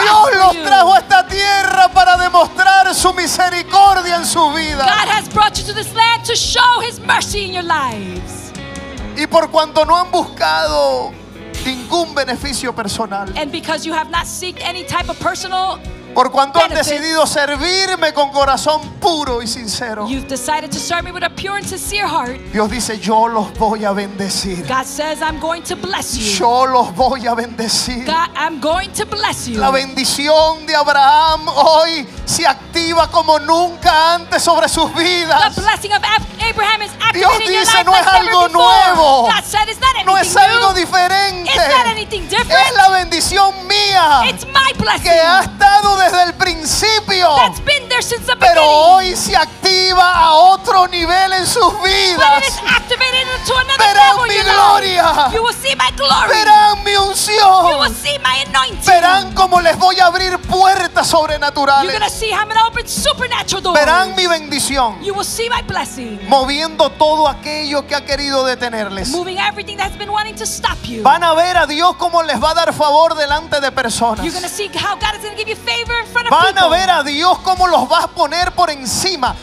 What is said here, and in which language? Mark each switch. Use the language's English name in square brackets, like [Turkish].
[Spanish] Dios los trajo a esta tierra para demostrar su misericordia en su vida. [English] God has brought you to this land to show his mercy in your lives. [Spanish] Y por cuanto no han buscado ningún beneficio personal. [English] And because you have not sought any type of personal [Spanish] Por cuanto has decidido servirme con corazón puro y sincero. [English] You've decided to serve me with a pure and sincere heart. [Spanish] Dios dice, yo los voy a bendecir. [English] God says, I'm going to bless you. [Spanish] Yo los voy a bendecir. [English] God, I'm going to bless you. [Spanish] La bendición de Abraham hoy se activa como nunca antes sobre sus vidas. [English] The blessing of Abraham is activated. [Spanish] Dios dice, no es algo nuevo. [English] God said, it's not anything [Spanish] no es algo [English] new. [Spanish] Diferente. [English] It's not anything different. [Spanish] Es la bendición mía. [English] It's my blessing. [Spanish] Que ha estado desde el principio. [English] That's been there since the beginning. [Spanish] Pero hoy se activa a otro nivel en sus vidas. [English] But it is activated into another level. [Spanish] Verán mi gloria. [English] You will see my glory. [Spanish] Verán mi unción. [English] You will see my anointing. [Spanish] Verán cómo les voy a abrir puertas sobrenaturales. [English] You're gonna see how I'm gonna open supernatural doors. [Spanish] Verán mi bendición. [English] You will see my blessing. [Spanish] Moviendo todo aquello que ha querido detenerles. [English] Moving everything that's been wanting to stop you. [Spanish] Van a ver a Dios cómo les va a dar favor delante de personas. [English] You're gonna see how God is gonna give you favor in front of [Spanish] van Van a ver a Dios cómo los va a poner por encima.